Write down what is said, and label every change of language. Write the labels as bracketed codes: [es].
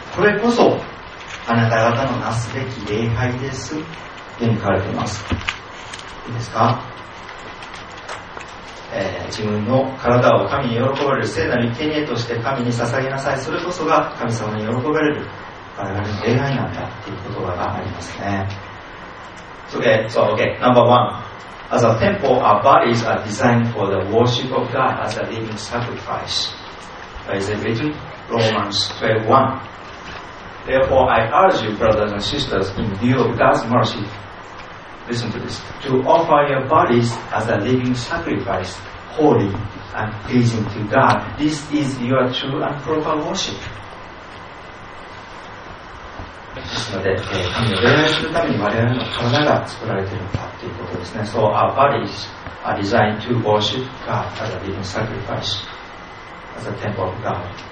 [ja] これこそあなた方のなすべき礼拝です、と書かれています。いいですか。自分の体を神に喜ばれる聖なる生贄として神に捧げなさい。それこそが神様に喜ばれる我々の礼拝なんだ、という言葉がありますね。 [en] Okay, so okay, number one. As a temple, our bodies are designed for the worship of God as a living sacrifice. That is written, Romans 12:1. Therefore, I urge you, brothers and sisters, in view of God's mercy, listen to this, to offer your bodies as a living sacrifice, holy and pleasing to God. This is your true and proper worship. [ja] ですので、神を礼拝するために我々の体が作られているのかということですね。 [en] So our bodies are designed to worship God as a living sacrifice, as a temple of God.